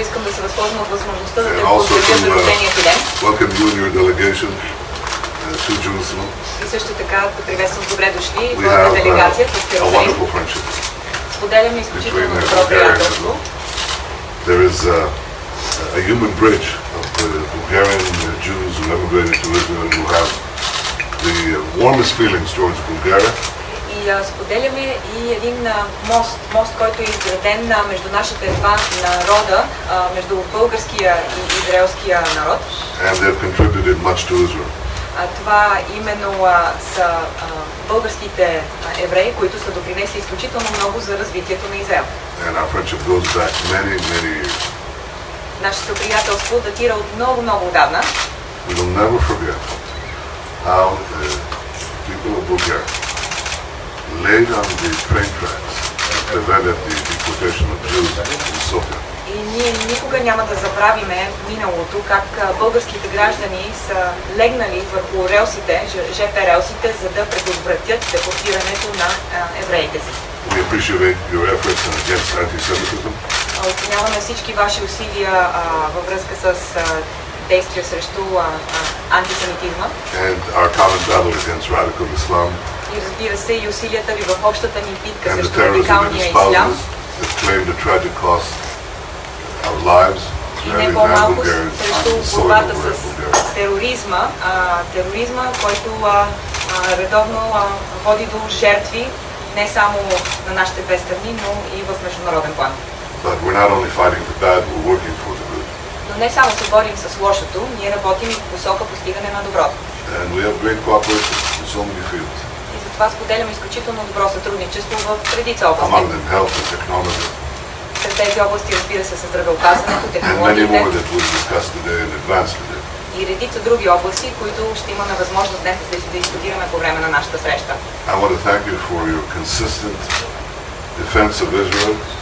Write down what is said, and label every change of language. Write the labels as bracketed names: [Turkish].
[Bulgarian] искам да се възползвам от възможността да те поздравя за рождението ден. [English] Welcome you and your delegation to Jerusalem. [Bulgarian] И също така приветствам добре дошли в твоята делегация в Йерусалим. Споделяме изключително добро приятелство. [English] There is a human bridge of the Bulgarian Jews who emigrated to Israel who have the warmest feelings towards Bulgaria. [Bulgarian] И споделяме и един мост, който е изграден между нашите два народа, между българския и израелския народ. [English] And they have contributed much to Israel. [Bulgarian] Това именно са българските евреи, които са допринесли изключително много за развитието на Израел. [English] And our friendship goes back many, many years. [Bulgarian] Нашето приятелство датира от много отдавна. [English] We will never forget how the people of Bulgaria laid on the train tracks and prevented the deportation of Jews in Sofia. [Bulgarian] И ние никога няма да забравим миналото, как българските граждани са легнали върху релсите, ЖП релсите, за да предотвратят депортирането на евреите си. [English] We appreciate your efforts against anti-Semitism. [Bulgarian] Оценяваме всички ваши усилия във връзка с действия срещу антисемитизма. [English] And our common battle against radical Islam. [Bulgarian] И разбира се и усилията ви в общата ни битка срещу радикалния ислам. [English] The terrorism that tragic cost our lives. [Bulgarian] И не по-малко срещу борбата с тероризма, който редовно води до жертви не само на нашите две страни, но и в международен план. [English] But we're not only fighting the bad, we're working for the good. [Bulgarian] Но не само се борим с лошото, ние работим и в посока постигане на доброто. [English] And we have great cooperation in so many fields. [Bulgarian] И затова споделям изключително добро сътрудничество в редица области. [English] Among them health and technology. [Bulgarian] Сред тези области разбира се със здравеопазването, технологиите. [English] And many more that we'll discuss today in advance today. [Bulgarian] И редица други области, които ще имаме възможност днес да дискутираме по време на нашата среща. [English] I want to thank you for your consistent defense of Israel.